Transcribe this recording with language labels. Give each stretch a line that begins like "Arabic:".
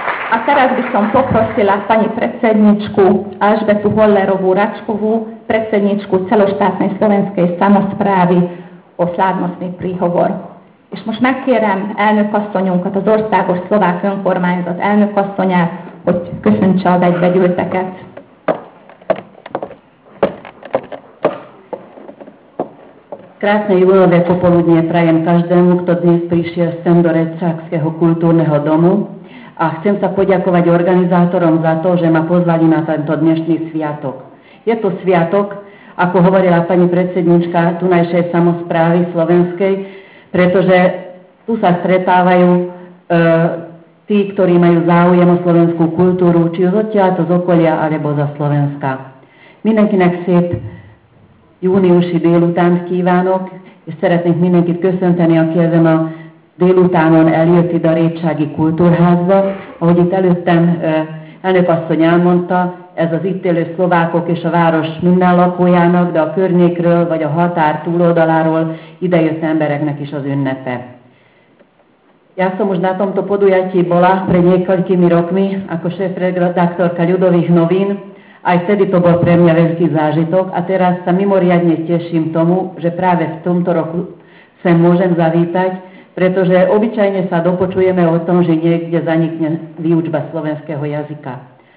Slovak: A teraz by som poprosila pani predsedničku Alžbetu Hollerovú-Račkovú, predsedničku celoštátnej slovenskej samosprávy o slávnostný príhovor.
Hungarian: És most megkérem elnökasszonyunkat, az országos szlovák önkormányzat elnökasszonyát, hogy köszöntse az egybegyűlteket.
Slovak: Krásne júlové popoludnie prajem každému, kto dnes prišiel sem do Rečákského kultúrneho domu. A chcem sa poďakovať organizátorom za to, že ma pozvali na tento dnešný sviatok. Je to sviatok, ako hovorila pani predsednička tunajšej samosprávy slovenskej, pretože tu sa stretávajú tí, ktorí majú záujem o slovenskú kultúru, či už odtiaľto z okolia, alebo za Slovenska.
Hungarian: Mindenkinek szép júniusi délután kívánok, és szeretnék mindenkit köszönteni, aki ezen a délutánon eljött ide a Rétsági Kultúrházba. Ahogy itt előttem elnökasszony elmondta, ez az itt élő szlovákok és a város minden lakójának, de a környékről vagy a határ túloldaláról idejött embereknek is az ünnepe.
Slovak: Ja som už na tomto podujatí bola pred niekoľkými rokmi ako šéfredaktorka Ľudových novín. Aj vtedy to bol pre mňa veľký zážitok a teraz sa mimoriadne teším tomu, že práve v tomto roku sem môžem zavítať, pretože obyčajne sa dopočujeme o tom, že niekde zanikne výučba slovenského jazyka.